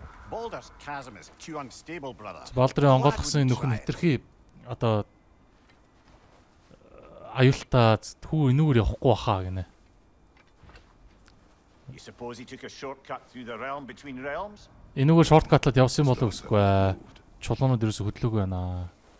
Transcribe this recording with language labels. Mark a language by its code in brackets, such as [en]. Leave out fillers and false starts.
[en] Baldur's chasm is too unstable, brother. [mn] Baldur-ийн онгойлгосон энэ нөхөн хэтэрхий одоо аюултай түү энүүгээр явахгүй баха гинэ. [en] You suppose he took a shortcut through the realm between realms? [mn] Энүүгээр шорткатлаад явсан юм болов уу? Чулуунууд ерөөсө хөдлөөгүй байна.